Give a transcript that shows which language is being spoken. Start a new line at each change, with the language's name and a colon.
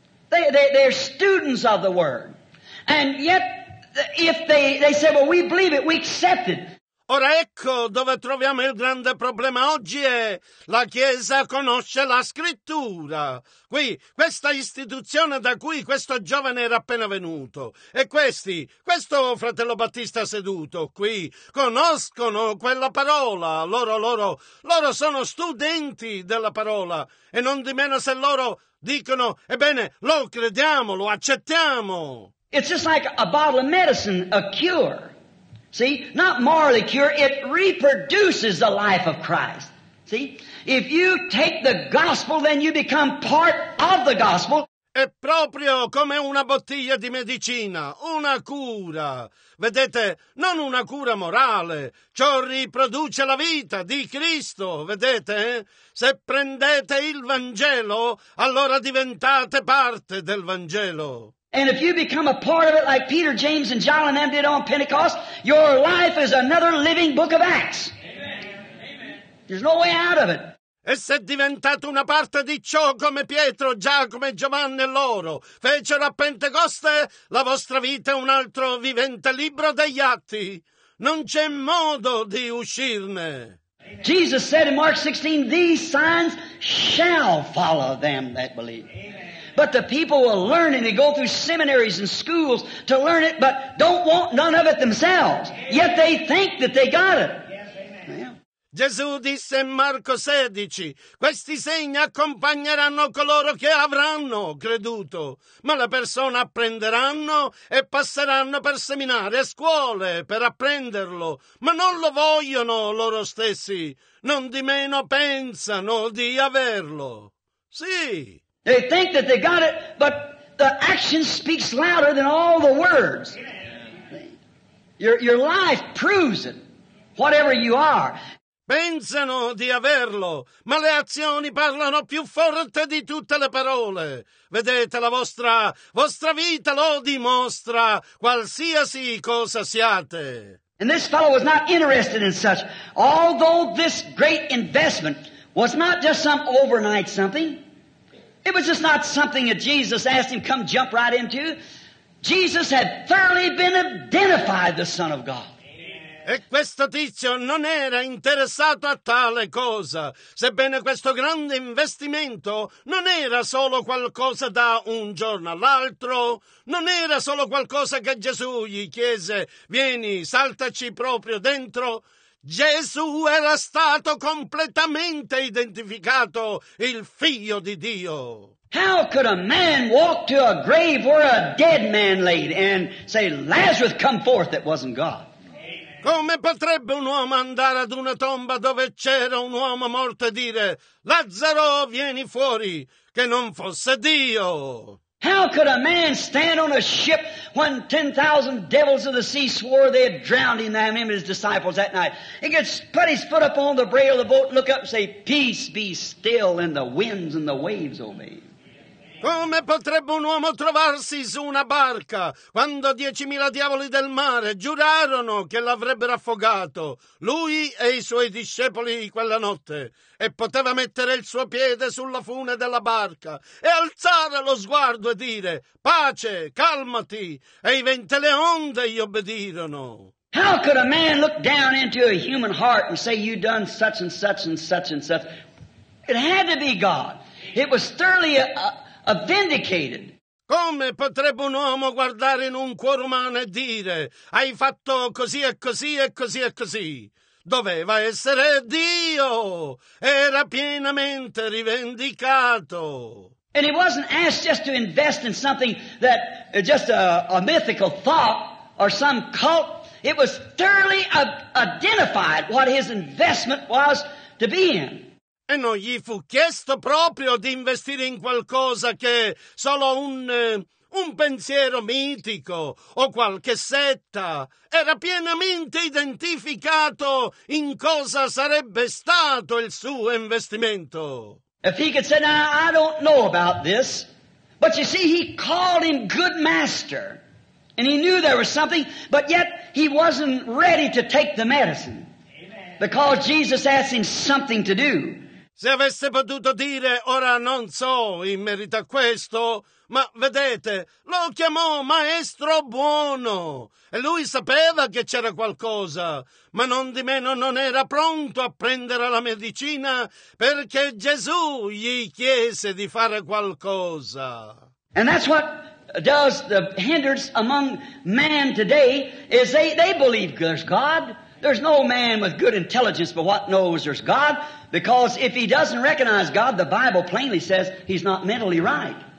English: They're students of the word. And yet, if they say, well, we believe it, we accept it.
Italian: Ora ecco dove troviamo il grande problema oggi: è la Chiesa conosce la Scrittura. Qui, questa istituzione da cui questo giovane era appena venuto, e questo fratello Battista seduto qui, conoscono quella parola. Loro sono studenti della parola, e non di meno se loro dicono, ebbene, lo crediamo, lo accettiamo.
English: It's just like a bottle of medicine, a cure. See, not morally cure, it reproduces the life of Christ. See, if you take the gospel, then you become part of the gospel.
Italian: È proprio come una bottiglia di medicina, una cura. Vedete, non una cura morale. Ciò riproduce la vita di Cristo, vedete? Se prendete il Vangelo, allora diventate parte del Vangelo.
English: And if you become a part of it like Peter, James, and John and them did on Pentecost, your life is another living book of Acts. Amen. There's no way out of it.
Italian: E se diventate una parte di ciò come Pietro, Giacomo e Giovanni loro fecero a Pentecoste, la vostra vita è un altro vivente libro degli Atti. Non c'è modo di uscirne. Amen.
English: Jesus said in Mark 16, these signs shall follow them that believe. Amen. But the people will learn, and they go through seminaries and schools to learn it, but don't want none of it themselves. Amen. Yet they think that they got it.
Italian: Gesù disse in Marco 16, questi segni accompagneranno coloro che avranno creduto, ma le persone apprenderanno e passeranno per seminari e scuole per apprenderlo, ma non lo vogliono loro stessi, non di meno pensano di averlo. Sì.
English: They think that they got it, but the action speaks louder than all the words. Your life proves it, whatever you are.
Italian: Pensano di averlo, ma le azioni parlano più forte di tutte le parole. Vedete, la vostra vita lo dimostra, qualsiasi cosa siate.
English: And this fellow was not interested in such, although this great investment was not just some overnight something. It was just not something that Jesus asked him, come jump right into. Jesus had thoroughly been identified the Son of God.
Italian: E questo tizio non era interessato a tale cosa, sebbene questo grande investimento non era solo qualcosa da un giorno all'altro, non era solo qualcosa che Gesù gli chiese, vieni, saltaci proprio dentro. Gesù era stato completamente identificato il Figlio di Dio.
English: How could a man walk to a grave where a dead man laid and say, Lazarus, come forth, that wasn't God?
Italian: Come potrebbe un uomo andare ad una tomba dove c'era un uomo morto e dire, Lazzaro, vieni fuori, che non fosse Dio?
English: How could a man stand on a ship when 10,000 devils of the sea swore they had drowned him and his disciples that night? He could put his foot up on the rail of the boat, look up and say, peace be still, and the winds and the waves obey.
Italian: Come potrebbe un uomo trovarsi su una barca quando 10,000 diavoli del mare giurarono che l'avrebbero affogato, lui e i suoi discepoli quella notte, e poteva mettere il suo piede sulla fune della barca e alzare lo sguardo e dire, pace, calmati, e i venti e le onde gli obbedirono.
English: How could a man look down into a human heart and say you've done such and such and such and such? It had to be God. It was thoroughly vindicated.
Italian: Come potrebbe un uomo guardare in un cuore umano e dire, hai fatto così e così e così e così? Doveva essere Dio. Era pienamente rivendicato.
English: And he wasn't asked just to invest in something that just a mythical thought or some cult. It was thoroughly identified what his investment was to be in.
Italian: E non gli fu chiesto proprio di investire in qualcosa che è solo un pensiero mitico o qualche setta. Era pienamente identificato in cosa sarebbe stato il suo investimento.
English: If he could say, now, I don't know about this, but you see, he called him good master, and he knew there was something, but yet he wasn't ready to take the medicine. Amen. Because Jesus asked him something to do.
Italian: Se avesse potuto dire, ora non so in merito a questo, ma vedete, lo chiamò maestro buono. E lui sapeva che c'era qualcosa, ma non di meno non era pronto a prendere la medicina perché Gesù gli chiese di fare qualcosa.
English: And that's what does the hindrance among man today, is they believe there's God. There's no man with good intelligence but what knows there's God. Because if he doesn't recognize God, the Bible plainly says he's not mentally right.